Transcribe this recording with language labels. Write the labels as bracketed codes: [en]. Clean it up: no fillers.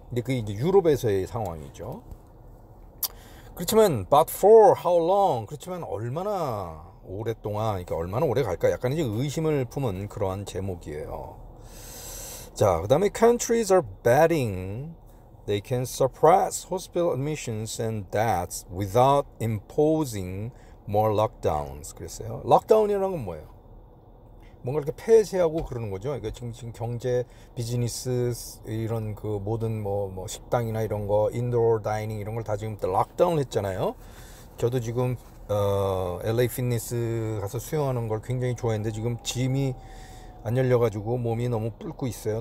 [ko] 근데 그게 이제 유럽에서의 상황이죠. 그렇지만 [en] but for how long? [ko] 그렇지만 얼마나 오랫동안, 그러니까 얼마나 오래 갈까? 약간 이제 의심을 품은 그러한 제목이에요. 자, 그다음에 [en] countries are betting they can suppress hospital admissions and deaths without imposing more lockdowns. [ko] 그랬어요. lockdown이라는 건 뭐예요? 뭔가 이렇게 폐쇄하고 그러는 거죠. 그러니까 지금 경제, 비즈니스 이런 그 모든 뭐 식당이나 이런 거, 인도어 다이닝 이런 걸 다 지금 또 락다운 했잖아요. 저도 지금 LA 피트니스 가서 수영하는 걸 굉장히 좋아했는데 지금 짐이 안 열려가지고 몸이 너무 붉고 있어요.